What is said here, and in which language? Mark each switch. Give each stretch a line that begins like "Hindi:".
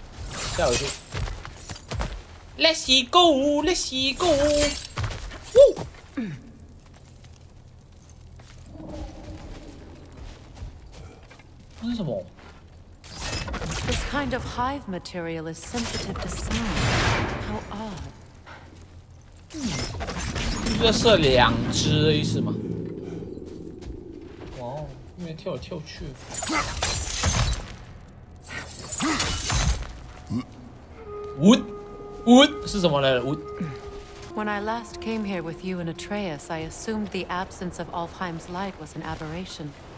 Chinese: 拿宝物，这边解，下回去。
English: Let's go，Let's go。
Chinese: 哦，那是什么？
English: This kind of hive material is sensitive to sound. How odd.
Chinese: 这是两只的意思吗？跳来跳去。Wood，Wood是什么来着？Wood.
English: When I last came here with you and Atreus, I assumed the absence of Alfheim's light was an aberration.